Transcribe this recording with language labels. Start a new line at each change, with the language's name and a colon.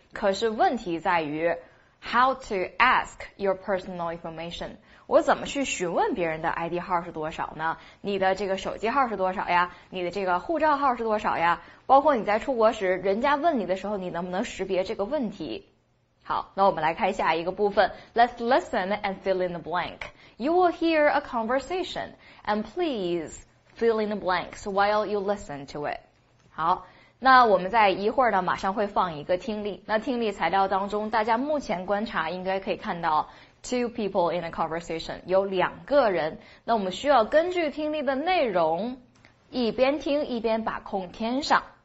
Chinese: 可是问题在于
English: how to ask your personal information，
Chinese: 我怎么去询问别人的 ID 号是多少呢？你的这个手机号是多少呀？你的这个护照号是多少呀？包括你在出国时，人家问你的时候，你能不能识别这个问题？好，那我们来看下一个部分。
English: Let's listen and fill in the blank. You will hear a conversation, and please fill in the blanks while you listen to it.
Chinese: 好，那我们在一会儿呢，马上会放一个听力。那听力材料当中，大家目前观察应该可以看到
English: Two people in a conversation,
Chinese: 有两个人。那我们需要根据听力的内容，一边听一边把空填上。